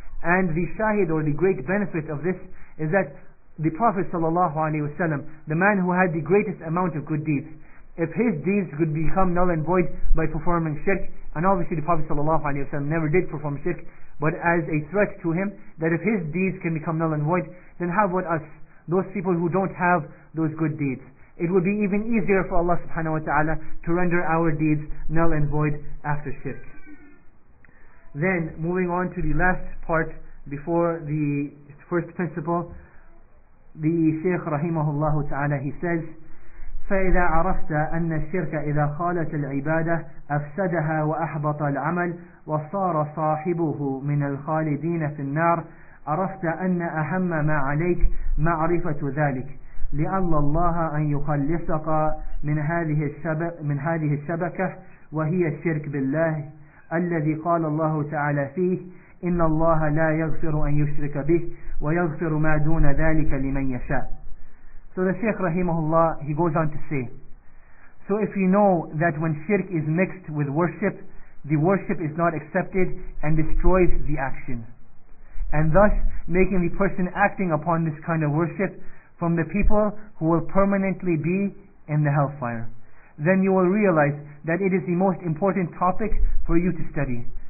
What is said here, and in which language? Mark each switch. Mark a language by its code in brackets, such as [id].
[en] And the shahid, or the great benefit of this, is that the Prophet sallallahu alayhi wa sallam, the man who had the greatest amount of good deeds, if his deeds could become null and void by performing shirk, and obviously the Prophet sallallahu alayhi wa sallam never did perform shirk, but as a threat to him, that if his deeds can become null and void, then how about us, those people who don't have those good deeds? It would be even easier for Allah subhanahu wa ta'ala to render our deeds null and void after shirk. Then, moving on to the last part before the first principle, the Shaykh rahimahullah ta'ala, he says, [ar] فَإِذَا عَرَفْتَ أَنَّ الشِّرْكَ إِذَا خَالَتَ الْعِبَادَةِ أَفْسَدَهَا وَأَحْبَطَ الْعَمَلِ وصار صاحبه من الخالدين في النار عرفت أن أهم ما عليك معرفة ذلك لعل الله أن يخلصك من هذه الشبكة وهي الشرك بالله الذي قال الله تعالى فيه إن الله لا يغفر أن يشرك به ويغفر ما دون ذلك لمن يشاء. [en] So the Shaykh rahimahullah, he goes on to say, so if you know that when shirk is mixed with worship, the worship is not accepted and destroys the action, and thus making the person acting upon this kind of worship from the people who will permanently be in the hellfire, then you will realize that it is the most important topic for you to study.